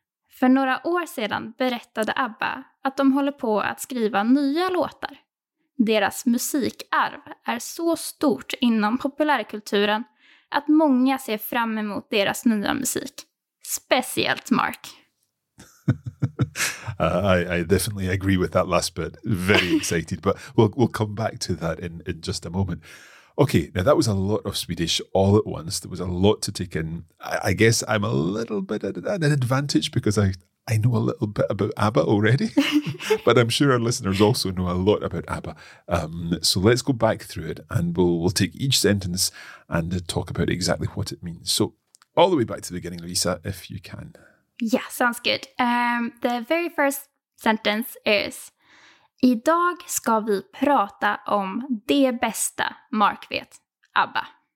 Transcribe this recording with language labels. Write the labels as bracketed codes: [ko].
[sv] För några år sedan berättade ABBA att de håller på att skriva nya låtar. Deras musikarv är så stort inom populärkulturen att många ser fram emot deras nya musik. Speciellt Mark. [en] I definitely agree with that last bit. Very excited, but we'll come back to that in just a moment. Okay, now that was a lot of Swedish all at once. There was a lot to take in. I guess I'm a little bit at an advantage because I know a little bit about ABBA already. But I'm sure our listeners also know a lot about ABBA. So let's go back through it and we'll take each sentence and talk about exactly what it means. So all the way back to the beginning, Lisa, if you can. Yeah, sounds good. The very first sentence is... [sv] Idag ska vi prata om det bästa Mark vet, ABBA.